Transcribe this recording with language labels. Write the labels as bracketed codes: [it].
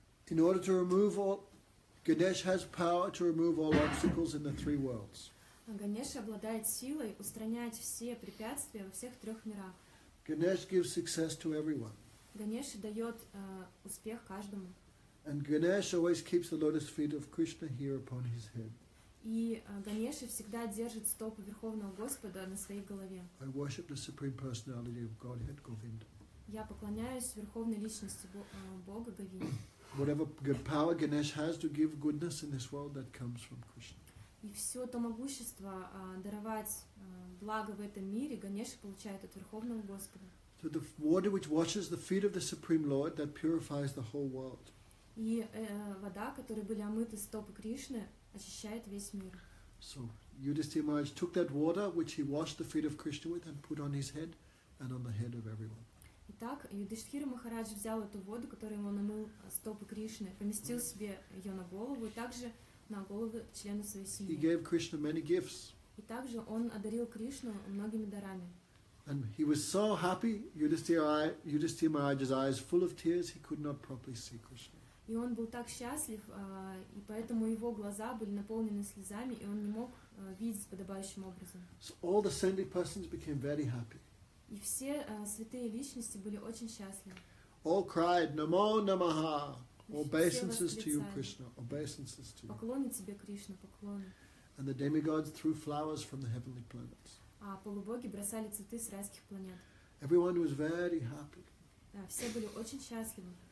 [en] In order to remove all, Ganesh has power to remove all obstacles in the three worlds. [ru] Ганеш обладает силой устранять все препятствия во всех трех мирах. [en] Ганеш gives success to everyone. [ru] Ганеш дает успех каждому. [en] And Ganesh always keeps the lotus feet of Krishna here upon his head. [ru] И Ганеша всегда держит стопы Верховного Господа на своей голове. [en] I worship the Supreme Personality of Godhead, Govinda. [ru] Я поклоняюсь Верховной Личности Бога Говинда. [en] Whatever power Ganesh has to give goodness in this world, that comes from Krishna. [ru] и все то могущество даровать благо в этом мире, конечно, получает от Верховного Господа. [en] So the water which washes the feet of the Supreme Lord that purifies the whole world. [ru] И вода, которой были омыты стопы Кришны, очищает весь мир. [en] So Yudhishthira Maharaj took that water which he washed the feet of Krishna with and put on his head and on the head of everyone. [ru] Итак, Юдиштхира Махарадж взял эту воду, которую он омыл стопы Кришны, поместил себе ее на голову и также на голову члена своей семьи. [en] He gave Krishna many gifts. [ru] И также он одарил Кришну многими дарами. [en] And he was so happy, Yudhishthira Maharaj's eyes full of tears, he could not properly see Krishna. [ru] И он был так счастлив, и поэтому его глаза были наполнены слезами, и он не мог видеть подобающим образом. [en] So all the saintly persons became very happy. [ru] И все святые личности были очень счастливы. [en] All cried, [sa] Namo Namaha, [en] obeisances to you, Krishna, obeisances to you. [ru] Поклоны тебе, Кришна, поклоны. [en] And the demigods threw flowers from the heavenly planets. [ru] А полубоги бросали цветы с райских планет. [en] Everyone was very happy. [ru] Да, все были очень счастливы.